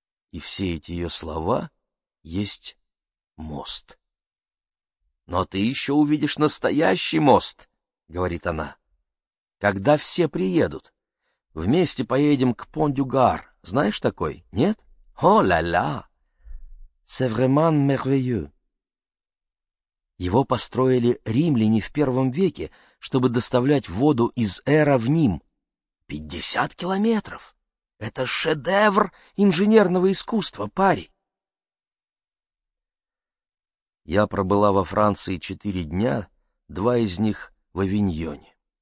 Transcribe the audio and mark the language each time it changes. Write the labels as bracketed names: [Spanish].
[Russian] И все эти ее слова есть мост. «Но ты еще увидишь настоящий мост», — говорит она. «Когда все приедут, вместе поедем к Пон-Дюгар. Знаешь такой, нет? О-ля-ля! [French] C'est vraiment merveilleux!» [Russian] Его построили римляне в первом веке, чтобы доставлять воду из Эра в Ним. 50 километров! Это шедевр инженерного искусства, парень!» Я пробыла во Франции 4 дня, 2 из них в Авиньоне.